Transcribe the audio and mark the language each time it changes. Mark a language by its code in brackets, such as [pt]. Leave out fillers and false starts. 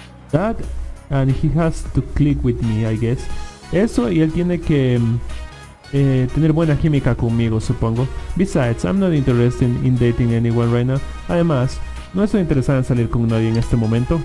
[en] That and he has to click with me, I guess. [es] Eso y él tiene que tener buena química conmigo, supongo. [en] Besides, I'm not interested in dating anyone right now. [es] Además, no estoy interesado en salir con nadie en este momento.